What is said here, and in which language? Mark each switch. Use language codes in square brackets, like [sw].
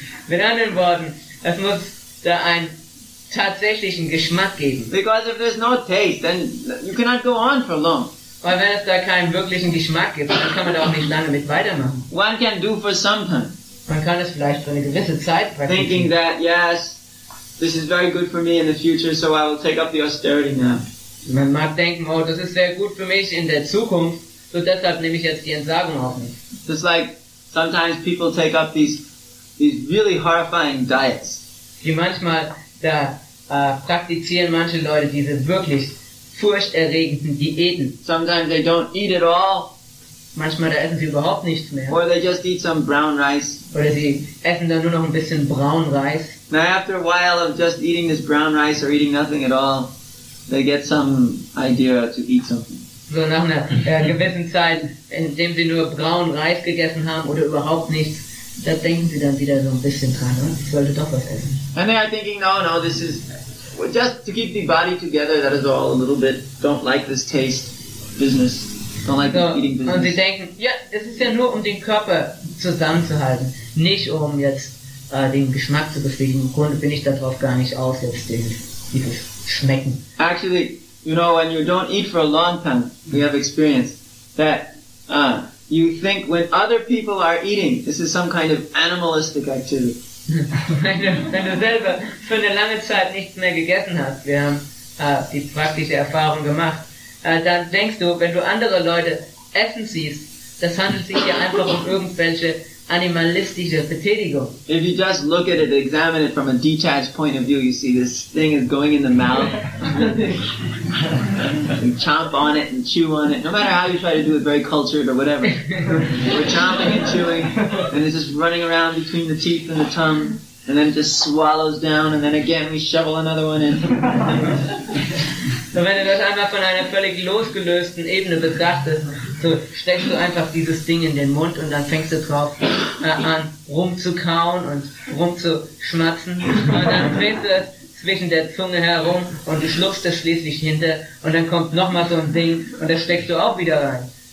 [de] Mit anderen Worten, es muss da einen tatsächlichen Geschmack geben. [en] Because if there's no taste, then you cannot go on for long. [de] Weil wenn es da keinen wirklichen Geschmack gibt, dann kann man da auch nicht lange mit weitermachen. [en] One can do for some time. [de] Man kann es vielleicht für eine gewisse Zeit praktizieren. [en] Thinking that, yes, this is very good for me in the future, so I will take up the austerity now. [de] Man mag denken, oh, das ist sehr gut für mich in der Zukunft, so deshalb nehme ich jetzt die Entsagung auf mich. [en] Just like sometimes people take up these really horrifying diets. [de] Wie manchmal, da praktizieren manche Leute diese wirklich furchterregenden Diäten. [en] Sometimes they don't eat at all. [de] Manchmal da essen sie überhaupt nichts mehr. [en] Or they just eat some brown rice. [de] Oder sie essen dann nur noch ein bisschen braunen Reis. [en] Now after a while of just eating this brown rice or eating nothing at all, they get some idea to eat something. [de] So nach einer gewissen Zeit, indem sie nur braunen Reis gegessen haben oder überhaupt nichts, da denken sie dann wieder so ein bisschen dran, oh, ich sollte doch was essen. [en] And they are thinking, no, this is just to keep the body together, that is all, a little bit, don't like this taste business, don't like the eating business. [de] Und sie denken, ja, es ist ja nur um den Körper zusammenzuhalten, nicht um jetzt den Geschmack zu befriedigen. Im Grunde bin ich darauf gar nicht aus, jetzt dieses Schmecken. [en] Actually, when you don't eat for a long time, we have experienced that you think when other people are eating, this is some kind of animalistic activity. [de] Wenn du selber für eine lange Zeit nichts mehr gegessen hast, wir haben die praktische Erfahrung gemacht, dann denkst du, wenn du andere Leute essen siehst, das handelt sich hier einfach um irgendwelche animalistische Betätigung. [en] If you just look at it, examine it from a detached point of view, you see this thing is going in the mouth. You chomp on it and chew on it. No matter how you try to do it, very cultured or whatever. We're chomping and chewing, and it's just running around between the teeth and the tongue, and then it just swallows down, and then again we shovel another one in. [de] So wenn du das einmal von einer völlig losgelösten Ebene betrachtest, so steckst du einfach dieses Ding in den Mund und dann fängst du drauf an rumzukauen und rumzuschmatzen. Und dann drehst du es zwischen der Zunge herum und du schluckst es schließlich hinter und dann kommt nochmal so ein Ding und das steckst du auch wieder rein.